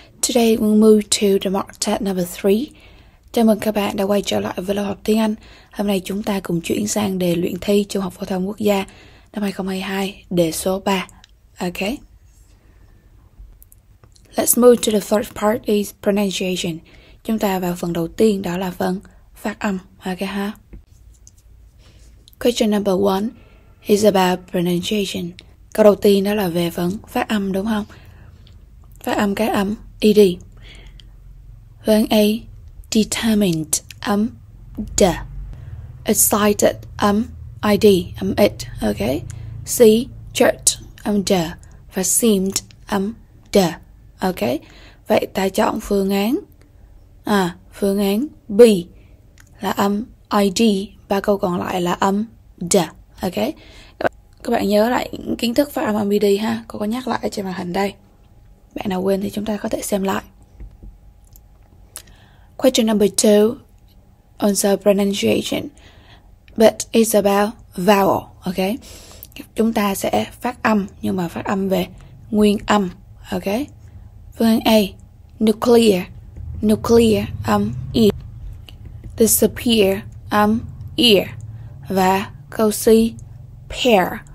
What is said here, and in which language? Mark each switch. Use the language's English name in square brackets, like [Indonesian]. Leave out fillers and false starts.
[English] Today, we'll move to the mock test number 3. [Vietnamese] Chào mừng các bạn đã quay trở lại với lớp học tiếng Anh. Hôm nay, chúng ta cùng chuyển sang đề luyện thi Trung học phổ thông quốc gia năm 2022, đề số 3. [English] Okay? Let's move to the first part is pronunciation. [Vietnamese] Chúng ta vào phần đầu tiên, đó là phần phát âm. Okay, ha? [English] Question number 1 is about pronunciation. [Vietnamese] Câu đầu tiên đó là về phần phát âm, đúng không? Phát âm cái âm ED. Phần A, determined, âm D. Excited, âm ID, âm IT, ok. C, church, âm D. Và seemed, âm D, ok. Vậy ta chọn phương án phương án B là âm ID. Ba câu còn lại là âm D, ok. Các bạn nhớ lại kiến thức phát âm âm ID ha. Cô có nhắc lại trên màn hình đây. Bạn nào quên thì chúng ta có thể xem lại. [English] Question number 2 on the pronunciation, but it's about vowel, okay? [Vietnamese] Chúng ta sẽ phát âm, nhưng mà phát âm về nguyên âm, okay? Phương A, nuclear, nuclear, ear. Disappear, ear. Và câu C, pair.